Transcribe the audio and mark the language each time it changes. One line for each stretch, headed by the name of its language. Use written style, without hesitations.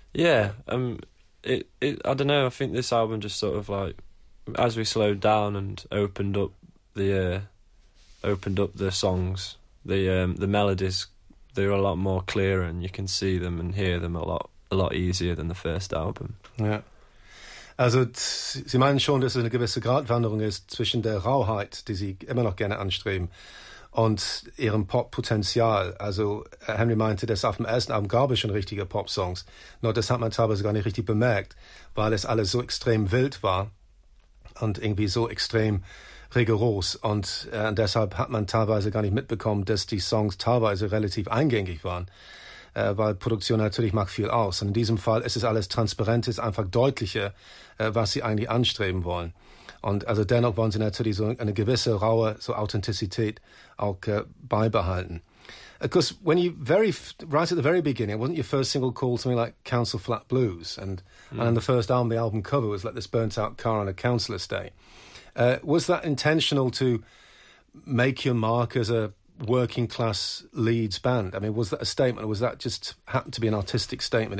English: Yeah, I don't know, I think this album just sort of like, as we slowed down and opened up the songs, the melodies, they're a lot more clear and you can see them and hear them a lot easier than the first album. Yeah.
German: Also, Sie meinen schon, dass es eine gewisse Gratwanderung ist zwischen der Rauheit, die Sie immer noch gerne anstreben, und ihrem Pop-Potenzial. Also Henry meinte, dass auf dem ersten Album gab es schon richtige Pop-Songs. Nur das hat man teilweise gar nicht richtig bemerkt, weil es alles so extrem wild war und irgendwie so extrem rigoros. Und deshalb hat man teilweise gar nicht mitbekommen, dass die Songs teilweise relativ eingängig waren, weil Produktion natürlich macht viel aus. Und in diesem Fall ist es alles transparent, ist einfach deutlicher, was sie eigentlich anstreben wollen. Und also dennoch wollen sie natürlich so eine gewisse raue so Authentizität auch beibehalten.
English: Of course, when you right at the very beginning, wasn't your first single called something like Council Flat Blues? And on the first album, the album cover was like this burnt out car on a council estate. Was that intentional to make your mark as a working class Leeds band? I mean, was that a statement or was that just happened to be an artistic statement?